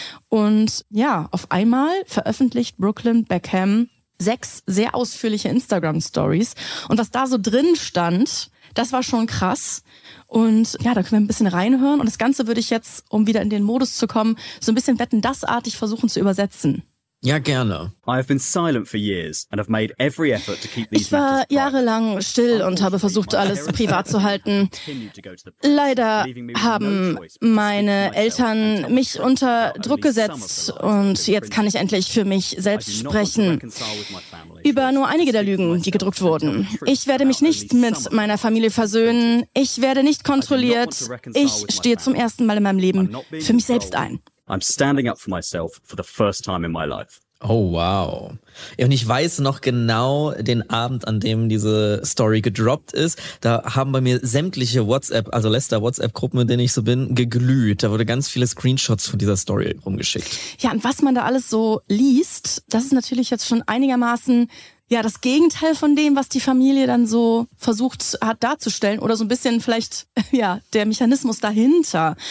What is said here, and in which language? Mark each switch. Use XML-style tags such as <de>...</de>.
<de>Und ja, auf einmal veröffentlicht Brooklyn Beckham 6 sehr ausführliche Instagram-Stories. Und was da so drin stand, das war schon krass. Und ja, da können wir ein bisschen reinhören. Und das Ganze würde ich jetzt, um wieder in den Modus zu kommen, so ein bisschen Wetten, das-artig versuchen zu übersetzen. Ja, gerne.</de> <en>I have been silent for years and have made every effort to keep these.</en> <de>Ich war jahrelang still und habe versucht, alles privat zu halten. Leider haben meine Eltern mich unter Druck gesetzt und jetzt kann ich endlich für mich selbst sprechen. Über nur einige der Lügen, die gedruckt wurden. Ich werde mich nicht mit meiner Familie versöhnen. Ich werde nicht kontrolliert. Ich stehe zum ersten Mal in meinem Leben für mich selbst ein.</de> <en>I'm standing up for myself for the first time in my life. Oh, wow.</en> <de>Und ich weiß noch genau den Abend, an dem diese Story gedroppt ist. Da haben bei mir sämtliche WhatsApp, also Lester-WhatsApp-Gruppen, mit denen ich so bin, geglüht. Da wurde ganz viele Screenshots von dieser Story rumgeschickt. Ja, und was man da alles so liest, das ist natürlich jetzt schon einigermaßen, ja, das Gegenteil von dem, was die Familie dann so versucht hat darzustellen oder so ein bisschen vielleicht, ja, der Mechanismus dahinter.</de>